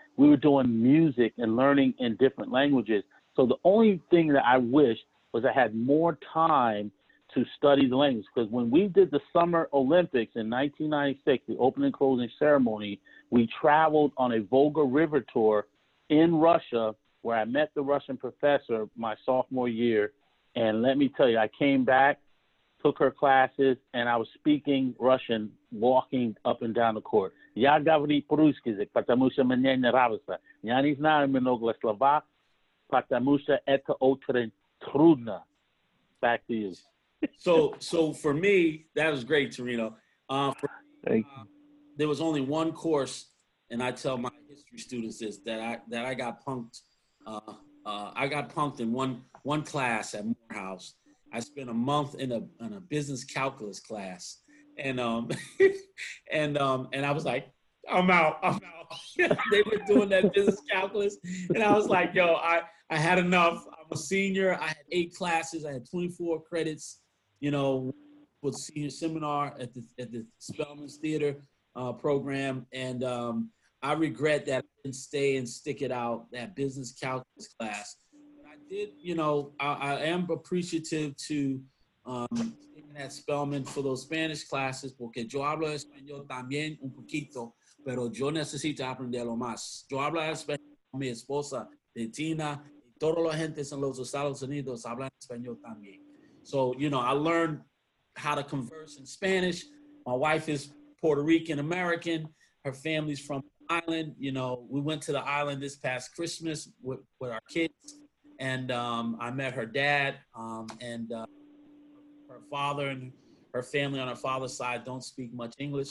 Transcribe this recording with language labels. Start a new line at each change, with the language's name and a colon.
English: We were doing music and learning in different languages. So the only thing that I wish was I had more time to study the language, because when we did the Summer Olympics in 1996, the opening and closing ceremony, we traveled on a Volga River tour in Russia, where I met the Russian professor my sophomore year. And let me tell you, I came back, took her classes, and I was speaking Russian, walking up and down the court.
Russian: Я говорю по-русски, потому что мне нравится. Я не знаю много слов, потому что это очень трудно.
English: Back to you. So for me, that was great, Torino. There was only one course, and I tell my history students this, that I got punked. I got punked in one class at Morehouse. I spent a month in a business calculus class, and I was like, I'm out. They were doing that business calculus, and I was like, yo, I had enough. I'm a senior. I had 8 classes. I had 24 credits. You know, with senior seminar at the Spelman's Theater program, and I regret that I didn't stay and stick it out that business calculus class. Did, you know, I am appreciative to at Spelman for those Spanish classes,
Spanish: porque yo hablo español también un poquito, pero yo necesito aprenderlo más. Yo hablo español con mi esposa, de Tina, y todos los gentes en los Estados Unidos hablan español también.
English: So, you know, I learned how to converse in Spanish. My wife is Puerto Rican American. Her family's from the island. You know, we went to the island this past Christmas with our kids. And I met her dad, and her father and her family on her father's side don't speak much English.